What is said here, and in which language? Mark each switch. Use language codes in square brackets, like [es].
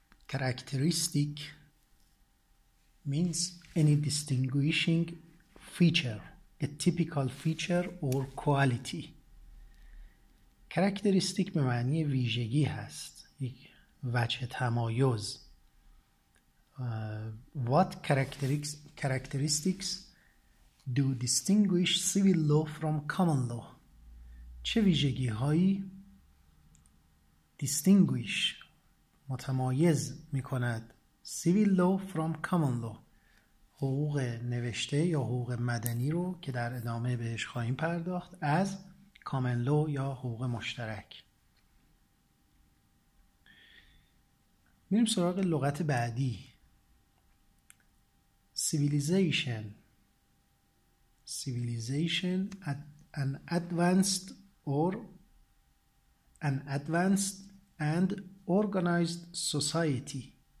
[en] Characteristic means any distinguishing feature, a typical feature or quality. [fa] Characteristic به معنی ویژگی هست، یک وجه تمایز. [en] What characteristics do distinguish civil law from common law? [fa] چه ویژگی هایی distinguish متمایز می کند [en] civil law from common law، [fa] حقوق نوشته یا حقوق مدنی رو که در ادامه بهش خواهیم پرداخت، از common law یا حقوق مشترک؟ میریم سراغ لغت بعدی، civilization. [en] Civilization at an advanced or an advanced and organized society.